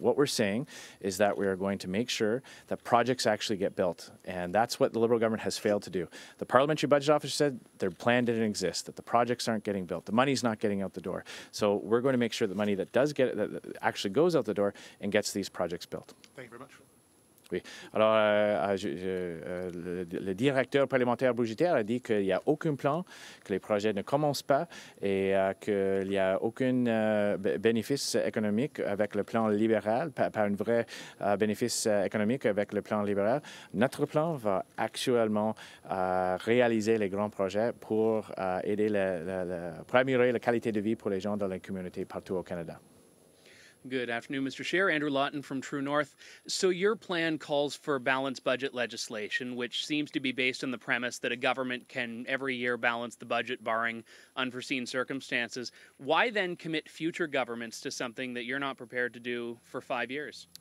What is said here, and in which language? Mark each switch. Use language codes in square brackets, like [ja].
[en] What we're saying is that we are going to make sure that projects actually get built. And that's what the Liberal government has failed to do. The Parliamentary Budget Office said their plan didn't exist, that the projects aren't getting built, the money's not getting out the door. So we're going to make sure the money that actually goes out the door and gets these projects built. Thank you very much. [fr] Alors, le directeur parlementaire budgétaire a dit qu'il n'y a aucun plan, que les projets ne commencent pas et qu'il n'y a aucun bénéfice économique avec le plan libéral, pas un vrai bénéfice économique avec le plan libéral. Notre plan va actuellement réaliser les grands projets pour aider, améliorer la qualité de vie pour les gens dans les communautés partout au Canada. [en] Good afternoon, Mr. Scheer. Andrew Lawton from True North. So your plan calls for balanced budget legislation, which seems to be based on the premise that a government can every year balance the budget barring unforeseen circumstances. Why then commit future governments to something that you're not prepared to do for 5 years?